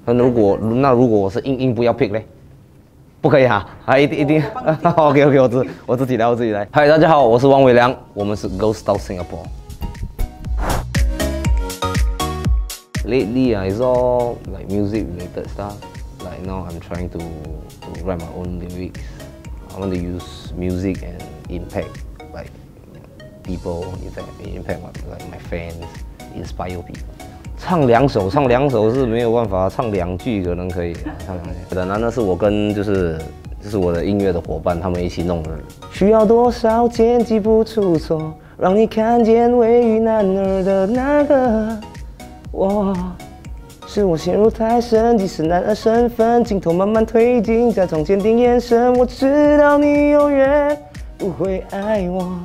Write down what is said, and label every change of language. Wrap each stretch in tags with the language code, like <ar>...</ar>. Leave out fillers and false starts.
<zh>那如果我是硬不要 pick 嘞，不可以哈，还一定一定，OK OK， 我自己来。嗨，大家好，我是 Wei Liang， 我们是 GirlStyle Singapore。</zh> <en>Lately, it's all like music related stuff. Like now, I'm trying to write my own lyrics. I want to use music and impact like people, impact like my fans, inspire people.</en> <zh>唱两首是没有办法，唱两句可能可以。唱两句，当然那是我跟就是我的音乐的伙伴他们一起弄的。需要多少剪辑不出错，让你看见位于男儿的那个我，是我陷入太深，即使男儿身份镜头慢慢推进，假装坚定眼神，我知道你永远不会爱我。</zh>